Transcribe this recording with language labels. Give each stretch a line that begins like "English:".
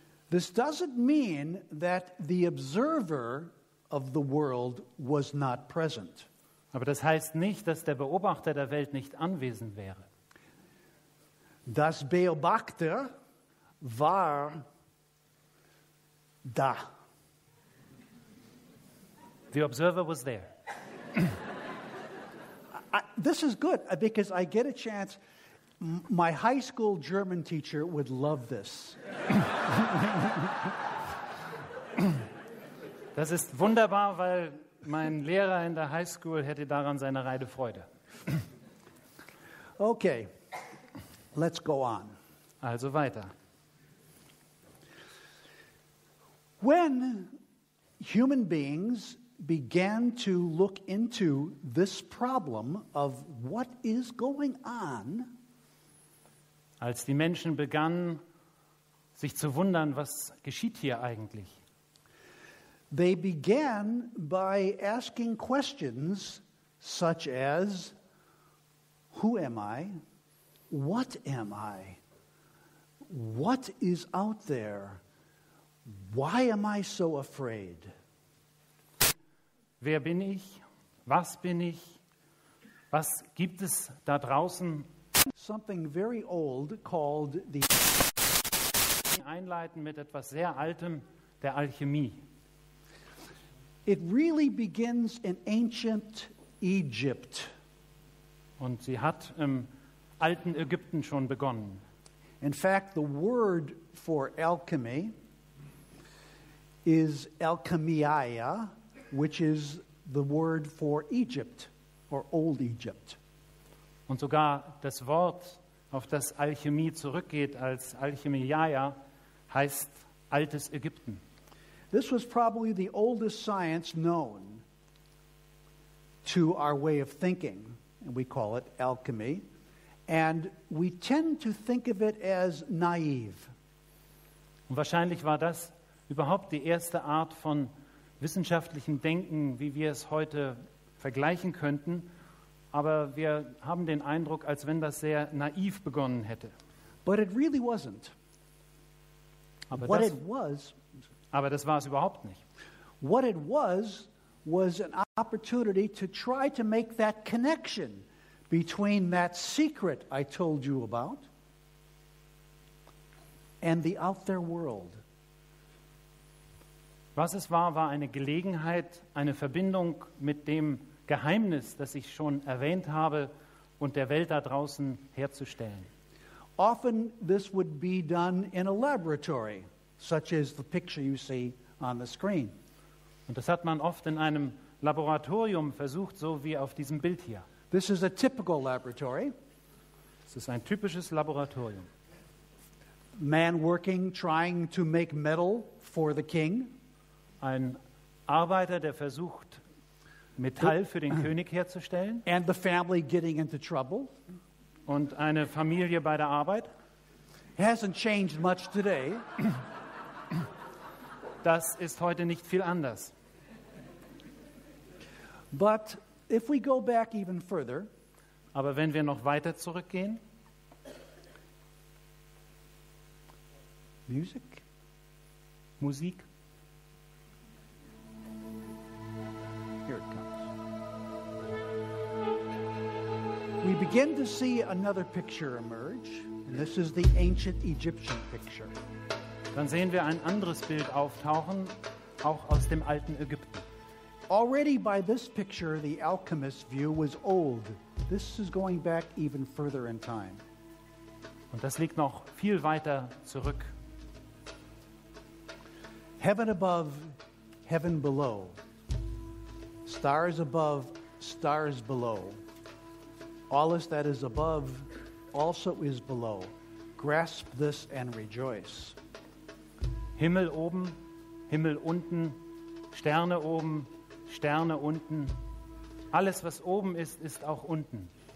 English: This doesn't mean that the observer of the world was not present.
German: Aber das heißt nicht, dass der Beobachter der Welt nicht anwesend wäre. Das Beobachter war da.
English: The observer was there. This is good because I get a chance. My high school German teacher would love this.
German: Das ist wunderbar, weil mein Lehrer in der High School hätte daran seine reine Freude.
English: Okay, let's go on.
German: Also weiter.
English: When human beings began to look into this problem of what is going on,
German: als die Menschen begannen, sich zu wundern, was geschieht hier eigentlich?
English: They began by asking questions such as, who am I? What am I? What is out there? Why am I so afraid?
German: Wer bin ich? Was bin ich? Was gibt es da draußen?
English: Something very old called the
German: Einleiten mit etwas sehr Altem, der Alchemie.
English: It really begins in ancient Egypt.
German: Und sie hat im alten Ägypten schon begonnen.
English: In fact, the word for alchemy is alchemia, which is the word for Egypt or old Egypt.
German: Und sogar das Wort, auf das Alchemie zurückgeht, als Alchemiaia, heißt altes Ägypten.
English: This was probably the oldest science known to our way of thinking, and we call it alchemy, and we tend to think of it as naive.
German: Und wahrscheinlich war das überhaupt die erste Art von wissenschaftlichem Denken, wie wir es heute vergleichen könnten, aber wir haben den Eindruck, als wenn das sehr naiv begonnen hätte.
English: But it really wasn't.
German: Aber
English: what
German: das,
English: it was,
German: aber das war es überhaupt nicht.
English: What it was an opportunity to try to make that connection between that secret I told you about and the out there world.
German: Was es war eine Gelegenheit, eine Verbindung mit dem Geheimnis, das ich schon erwähnt habe, und der Welt da draußen herzustellen.
English: Often this would be done in a laboratory, such as the picture you see on the screen.
German: Und das hat man oft in einem Laboratorium versucht, so wie auf diesem Bild hier.
English: This is a typical laboratory.
German: Das ist ein typisches Laboratorium.
English: Man working, trying to make metal for the king.
German: Ein Arbeiter, der versucht, Metall für den König herzustellen.
English: And the family getting into trouble.
German: Und eine Familie bei der Arbeit.
English: It hasn't changed much today.
German: Das ist heute nicht viel anders.
English: But if we go back even further,
German: aber wenn wir noch weiter zurückgehen, Musik.
English: Here it comes. We begin to see another picture emerge, and this is the ancient Egyptian picture.
German: Dann sehen wir ein anderes Bild auftauchen, auch aus dem alten Ägypten.
English: Already by this picture, the alchemist's view was old. This is going back even further in time.
German: Und das liegt noch viel weiter zurück.
English: Heaven above, heaven below. Stars above, stars below. All that is above also is below. Grasp this and rejoice.
German: Himmel oben, Himmel unten, Sterne oben, Sterne unten. Alles, was oben ist, ist auch unten.